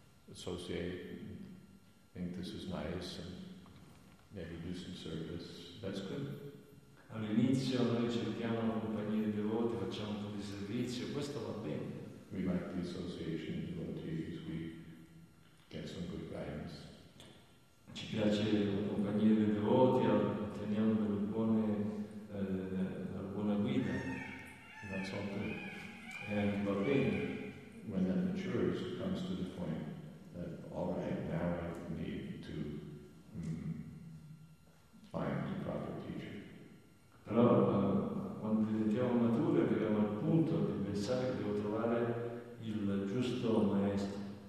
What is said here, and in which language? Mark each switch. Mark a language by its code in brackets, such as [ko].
[en] Associate, think this is nice, and maybe do some service. That's good. [it] All'inizio noi cerchiamo una compagnia di devoti, facciamo un po' di servizio. Questo va bene. [en] We like the association of devotees. We get some good guidance. [it] Ci piace la compagnia di devoti, otteniamo delle buone, una buona guida. [en] That's all good. [it] And va bene. [en] When that matures, it comes to the point. All right, now I need to find the proper teacher. [it] Però quando diventiamo maturi arriviamo al punto di pensare che devo trovare il giusto maestro.